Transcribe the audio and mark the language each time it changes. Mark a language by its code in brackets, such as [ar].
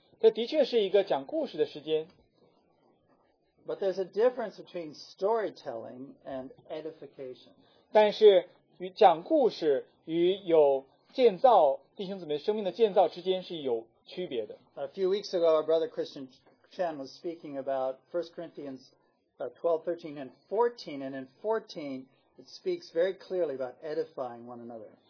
[zh] 这的确是一个讲故事的时间。 [en] But there's a difference between storytelling and edification. [zh] 但是与讲故事与有建造弟兄姊妹生命的建造之间是有区别的。 [en] A few weeks ago, our brother Christian Chen was speaking about 1 Corinthians 12, 13, and 14, and in 14, it speaks very clearly about edifying one another.